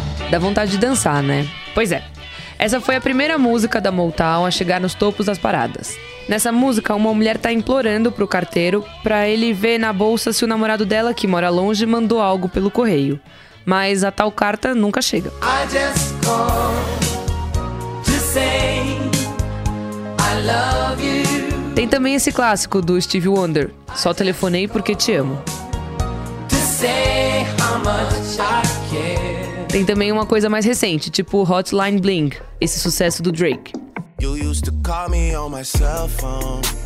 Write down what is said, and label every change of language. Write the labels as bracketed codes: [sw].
[pt] Dá vontade de dançar, né? Pois é. Essa foi a primeira música da Motown a chegar nos topos das paradas. Nessa música, uma mulher tá implorando pro carteiro pra ele ver na bolsa se o namorado dela, que mora longe, mandou algo pelo correio. Mas a tal carta nunca chega. [en] I just called to say I love you. [pt] Tem também esse clássico do Stevie Wonder, Só Telefonei Porque Te Amo. [en] To say how much I care. [pt] Tem também uma coisa mais recente, tipo Hotline Bling, esse sucesso do Drake. [en] You used to call me on my cell phone.